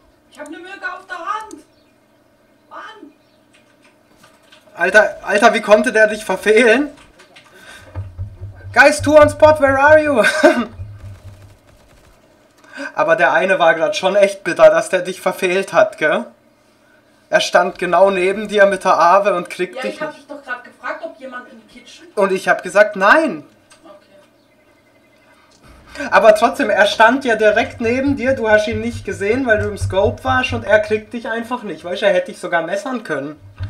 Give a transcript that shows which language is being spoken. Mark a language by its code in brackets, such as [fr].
[de] Ich hab ne Mücke auf der Hand! Mann! Alter, wie konnte der dich verfehlen? [en] Guys, two on spot, where are you? [de] Aber der eine war gerade schon echt bitter, dass der dich verfehlt hat, gell? Er stand genau neben dir mit der Ave und kriegt dich. Ja, ich hab dich doch gerade gefragt, ob jemand in die Kitchen kommt. Und ich hab gesagt, nein! Aber trotzdem, er stand ja direkt neben dir, du hast ihn nicht gesehen, weil du im Scope warst und er kriegt dich einfach nicht, weißt du, er hätte dich sogar messern können.